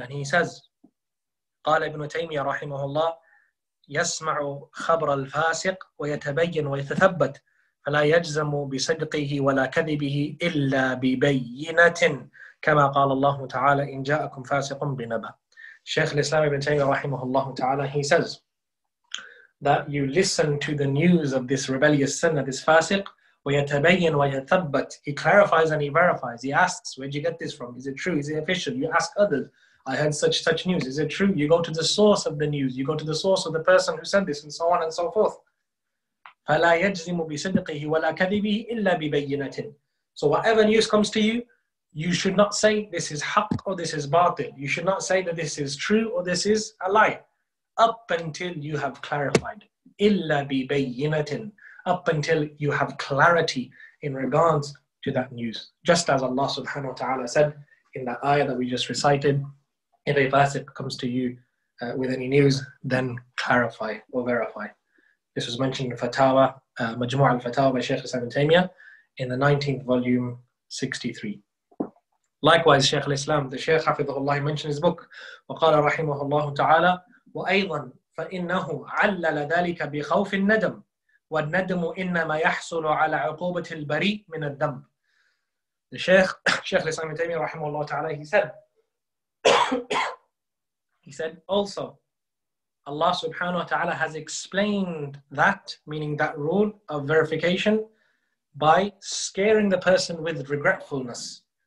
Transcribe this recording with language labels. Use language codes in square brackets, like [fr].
[en] And he says, [ar] قال Ibn Taymiyyah Rahimahullah, يَسْمَعُ خَبْرَ الْفَاسِقِ وَيَتَبَيَّنُ وَيَتَثَبَّتُ فَلَا يَجْزَمُ بِصَدْقِهِ وَلَا كَذِبِهِ إِلَّا بِبَيِّنَةٍ كَمَا قَالَ اللَّهُ تَعَالَى إِن جَاءَكُمْ فَاسِقٌ بِنَبَأٍ. [en] Shaykh al-Islam ibn Taymiyyah rahimahullah ta'ala, he says that you listen to the news of this rebellious sinner, this fasiq, [ar] وَيَتَبَيَّنُ وَيَتَبَّتْ, [en] he clarifies and he verifies, he asks, where'd you get this from? Is it true? Is it official? You ask others, I heard such news, is it true? You go to the source of the news, you go to the source of the person who said this, and so on and so forth. [ar] فَلَا يَجْزِمُ بِصِدْقِهِ وَلَا كَذِبِهِ إِلَّا بِبَيِّنَةٍ. [en] So whatever news comes to you, you should not say this is haqq or this is batil. You should not say that this is true or this is a lie. Up until you have clarified. [ar] إِلَّا بِبَيِّنَةٍ. [en] Up until you have clarity in regards to that news. Just as Allah subhanahu wa ta'ala said in that ayah that we just recited, if a fasiq comes to you with any news, then clarify or verify. This was mentioned in Fatawa, Majmu' al-Fatawa by Shaykh al-Islam ibn Taymiyyah in the 19th volume, 63. Likewise, Shaykh al-Islam, the Shaykh Hafidhullah, mentioned his book, [ar] وَقَالَ رَحِمُهُ اللَّهُ تَعَالَى وَأَيْضًا فَإِنَّهُ عَلَّلَ ذَلِكَ بِخَوْفِ النَّدَمُ وَالنَّدَمُ إِنَّمَا يَحْصُلُ عَلَى عُقُوبَةِ الْبَرِيءِ مِنَ الدَّمُ. [en] The Shaykh al-Islam ibn Taymiyyah, رَحِمُهُ اللَّهُ تَعَالَى, he said, also, Allah subhanahu wa ta'ala has explained that, meaning that rule of verification, by scaring the person with regretfulness.